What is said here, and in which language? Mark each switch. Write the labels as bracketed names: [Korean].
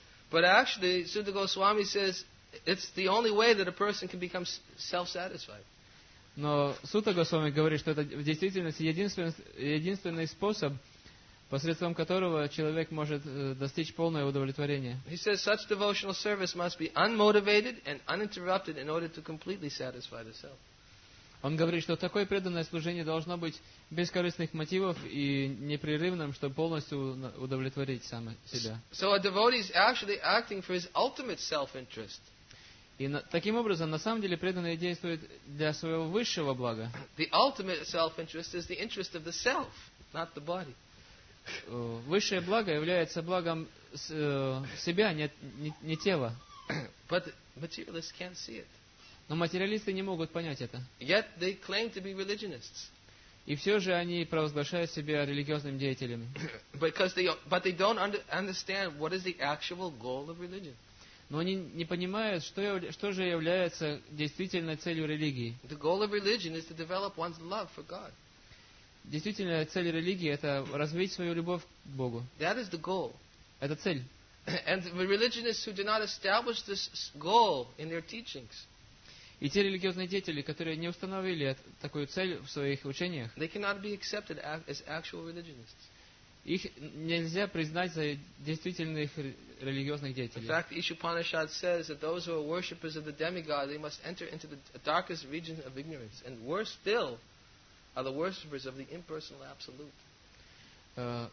[English] But actually, Sutta Goswami says it's the only way that a person can become self-satisfied. [Russian] Но Сутта Госвами говорит, что это в действительности единственный способ, посредством которого человек может достичь полного удовлетворения. [English] He says such devotional service must be unmotivated and uninterrupted in order to completely satisfy the self. [Russian] Он говорит, что такое преданное служение должно быть без корыстных мотивов и непрерывным, чтобы полностью удовлетворить само себя. [English] So a devotee is actually acting for his ultimate self-interest. [Russian] И таким образом, на самом деле, преданные действуют для своего высшего блага. [English] The ultimate self-interest is the interest of the self, not the body. [Russian] Высшее благо является благом себя, не тела. [English] But materialists can't see it. [Russian] Но материалисты не могут понять это. [English] Yet they claim to be religionists. [Russian] И все же они провозглашают себя религиозными деятелями. [English] But they don't understand what is the actual goal of religion. [Russian] Но они не понимают, что же является действительной целью религии. [English] The goal of religion is to develop one's love for God. [Russian] Действительная цель религии – это развить свою любовь к Богу. [English] That is the goal. [Russian] Это цель. [English] And the religionists who do not establish this goal in their teachings. [Russian] И те религиозные деятели, которые не установили такую цель в своих учениях, [English] they cannot be accepted as actual religionists. [Russian] Их нельзя признать за действительных религиозных деятелей. [English] In fact, Ishupanishad says that those who are worshippers of the demigod, they must enter into the darkest region of ignorance. And worse still, are the worshippers of the impersonal absolute.